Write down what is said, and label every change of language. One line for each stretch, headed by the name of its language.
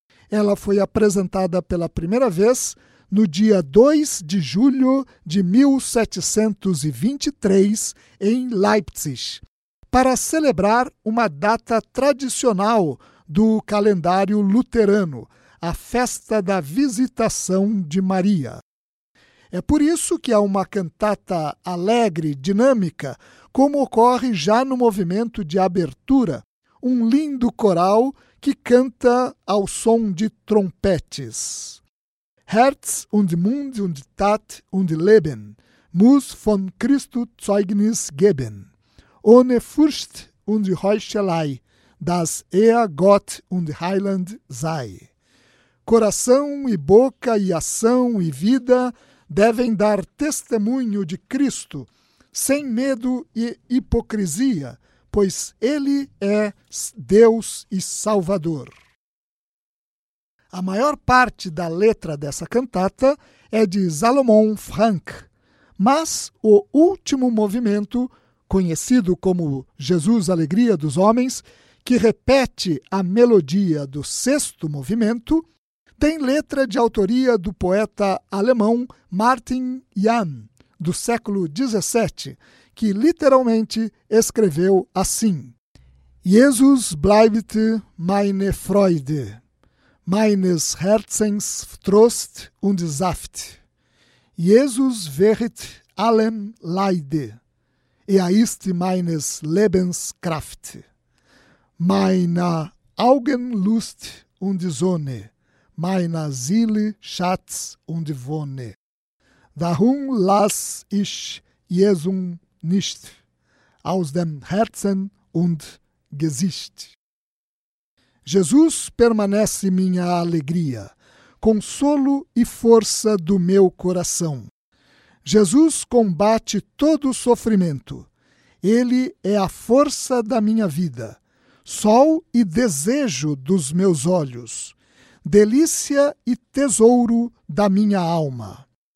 Portuguese: Ela foi apresentada pela primeira vez no dia 2 de julho de 1723, em Leipzig, para celebrar uma data tradicional do calendário luterano, a festa da Visitação de Maria. É por isso que há uma cantata alegre, dinâmica, como ocorre já no movimento de abertura, um lindo coral que canta ao som de trompetes.
German: Herz und Mund und Tat und Leben muss von Christo Zeugnis geben, ohne Furcht und Heuchelei, das er Gott und Heiland sei.
Portuguese: Coração e boca e ação e vida devem dar testemunho de Cristo, sem medo e hipocrisia, pois Ele é Deus e Salvador. A maior parte da letra dessa cantata é de Salomon Franck, mas o último movimento, conhecido como Jesus, Alegria dos Homens, que repete a melodia do sexto movimento, tem letra de autoria do poeta alemão Martin Jahn, do século XVII, que literalmente escreveu assim:
German: Jesus bleibt meine Freude, meines Herzens Trost und Saft. Jesus wird allem Leide, er ist meines Lebens Kraft. Meiner Augen Lust und Sonne, meiner Seele Schatz und Wonne. Darum lass ich Jesum nicht aus dem Herzen und Gesicht.
Portuguese: Jesus permanece minha alegria, consolo e força do meu coração. Jesus combate todo sofrimento. Ele é a força da minha vida, sol e desejo dos meus olhos, delícia e tesouro da minha alma.